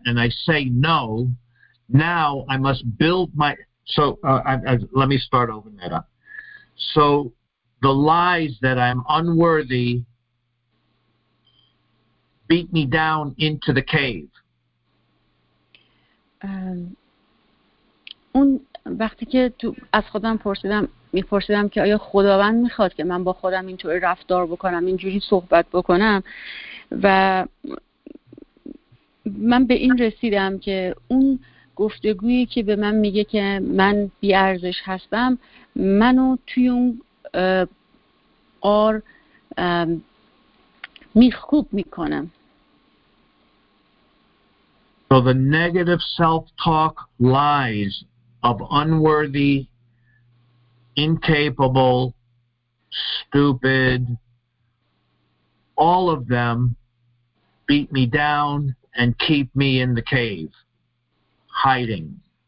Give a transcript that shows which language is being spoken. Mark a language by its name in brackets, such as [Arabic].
[English] And I say no. Now I must build my. Let me start over that up. So the lies that I'm unworthy beat me down into the cave. [Persian] اون وقتی که تو از خودم میپرسیدم که آیا خداوند میخواد که من با خودم اینطوری رفتار بکنم، اینجوری صحبت بکنم، و من به این رسیدم که اون گفتگویی که به من میگه که من بی ارزش هستم، منو توی اون قار میخکوب میکنم. [English] So the negative self-talk lies of unworthy, incapable, stupid, all of them beat me down and keep me in the cave, hiding.